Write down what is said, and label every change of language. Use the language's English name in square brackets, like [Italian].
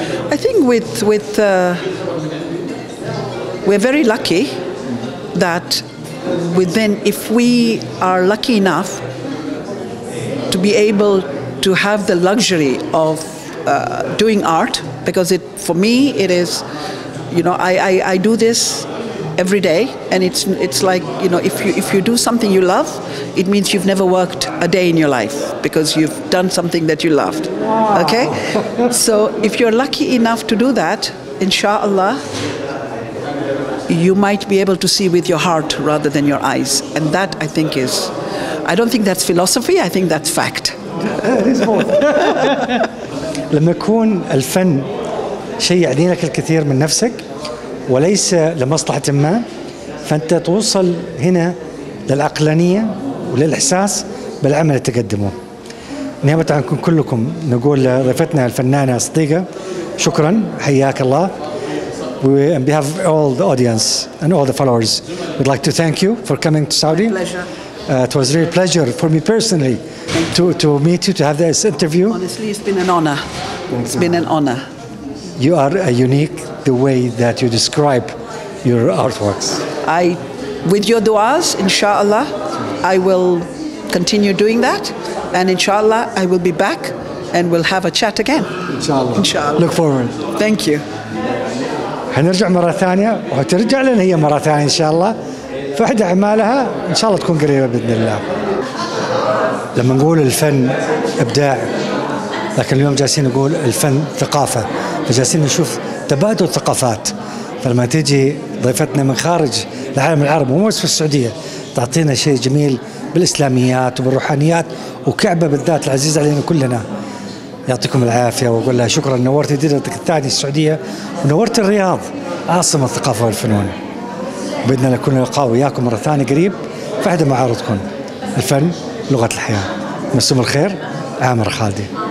[English] I think with we're very lucky that within, if we are lucky enough to be able to have the luxury of doing art, because it for me it is, you know, I do this every day, and it's like, you know, if you do something you love, it means you've never worked a day in your life because you've done something that you loved. Wow. Okay, so if you're lucky enough to do that, inshallah, you might be able to see with your heart rather than your eyes, and that I think is, I don't think that's philosophy. I think that's fact. [Arabic] لما يكون الفن شيء يعني لك الكثير من نفسك. وليس لمصلحة ما فأنت توصل هنا للعقلانية وللإحساس بالعمل اللي تقدمه نيابة عنكم كلكم نقول لضيفتنا الفنانة صديقة شكرا حياك الله [English] on behalf of all the audience and all the followers we'd like to thank you for coming to Saudi it was really a pleasure for me personally to meet you to have this interview honestly it's been an honor it's been an honor You are a unique the way that you describe your artworks. I, with your du'as, inshallah, I will continue doing that. And inshallah, I will be back and we'll have a chat again. Inshallah. Inshallah. Look forward. Thank you. [Arabic] هنرجع مرة ثانية وترجع لنا هي مرة ثانية إن شاء الله. فأحد أعمالها إن شاء الله تكون قريبة بإذن الله. لما نقول الفن إبداع لكن اليوم جالسين نقول الفن ثقافة. فجالسين نشوف تبادل ثقافات فلما تيجي ضيفتنا من خارج العالم العربي مو بس في السعودية تعطينا شيء جميل بالإسلاميات وبالروحانيات وكعبة بالذات العزيز علينا كلنا يعطيكم العافية وأقول لها شكرا نورت ديرتك الثانية السعودية ونورت الرياض عاصمة الثقافة والفنون بإذن الله يكون لقاء وياكم مرة ثانية قريب في أحد معارضكم الفن لغة الحياة مسوم الخير عامر خالدي